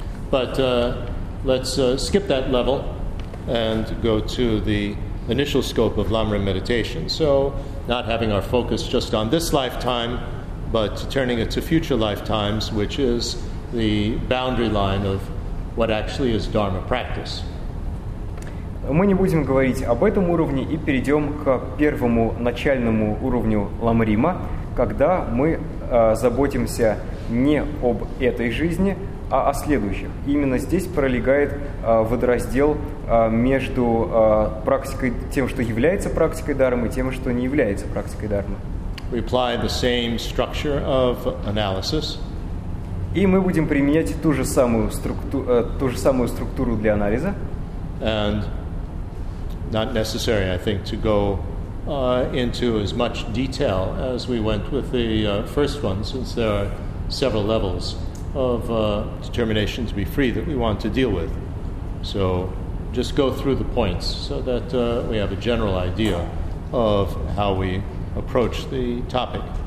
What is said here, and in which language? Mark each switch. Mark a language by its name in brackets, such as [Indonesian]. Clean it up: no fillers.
[English] But let's skip that level and go to the initial scope of Lamrim meditation. So, not having our focus just on this lifetime, but turning it to future lifetimes, which is the boundary line of what actually is Dharma practice. [Russian] Мы не будем говорить об этом уровне и перейдем к первому начальному уровню Ламрима, когда мы заботимся не об этой жизни, а о следующих. Именно здесь пролегает водораздел между практикой, тем, что является практикой дхармы, и тем, что не является практикой дхармы. [English] We apply the same structure of analysis. [Russian] И мы будем применять ту же самую структуру для анализа. [English] And not necessary, I think, to go into as much detail as we went with the first one, since there are several levels of determination to be free that we want to deal with. So just go through the points so that we have a general idea of how we approach the topic.